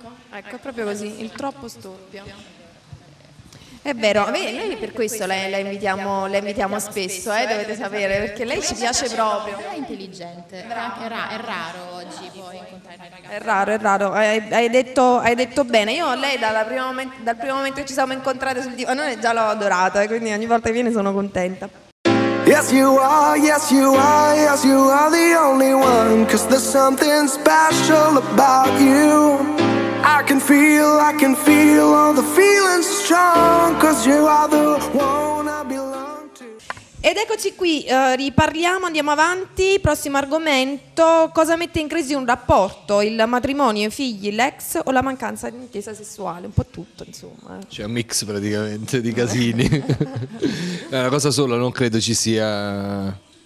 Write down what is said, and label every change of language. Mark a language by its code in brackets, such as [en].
[it] Ecco, è proprio così, il troppo storpio. È vero, noi per questo la invitiamo spesso, dovete sapere, perché lei ci piace proprio. È intelligente, è raro oggi poi incontrare ragazzi. È raro, hai detto bene. Io lei dal primo momento che ci siamo incontrate sul divano, noi già l'ho adorata, quindi ogni volta che viene sono contenta. [en] Yes you are, yes you are, yes you are the only one, 'cause there's something special about you. I can feel all the feelings strong, 'cause you are the one I belong to. [it] Ed eccoci qui, riparliamo, andiamo avanti. Prossimo argomento: cosa mette in crisi un rapporto, il matrimonio, i figli, l'ex o la mancanza di intesa sessuale? Un po' tutto, insomma. C'è un mix praticamente di casini. È una cosa sola, non credo ci sia.